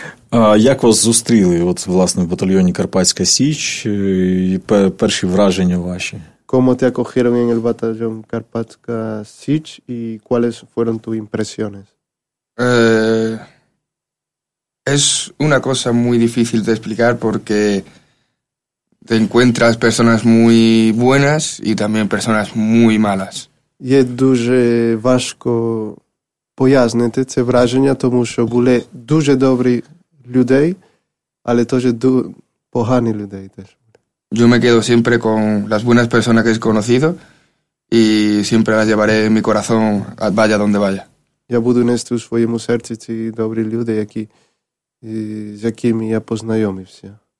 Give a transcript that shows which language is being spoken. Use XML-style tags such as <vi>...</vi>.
<uk>А як вас зустріли от, власне, в батальйоні Карпатська Січ? І перші враження ваші?</uk> <es>Como te acogieron en el batallón Carpatska Sich y cuáles fueron tus impresiones? Es una cosa muy difícil de explicar porque te encuentras personas muy buenas y también personas muy malas.</es> <uk>Є дуже важко пояснити це враження, тому що були дуже добрі людей, але дуже погані люди теж.</uk> <es>Yo me quedo siempre con las buenas personas que he conocido y siempre las llevaré en mi corazón, vaya donde vaya.</es> <uk>Я буду нести у своєму серці ці добрі люди, які з якими я познайомився.</uk>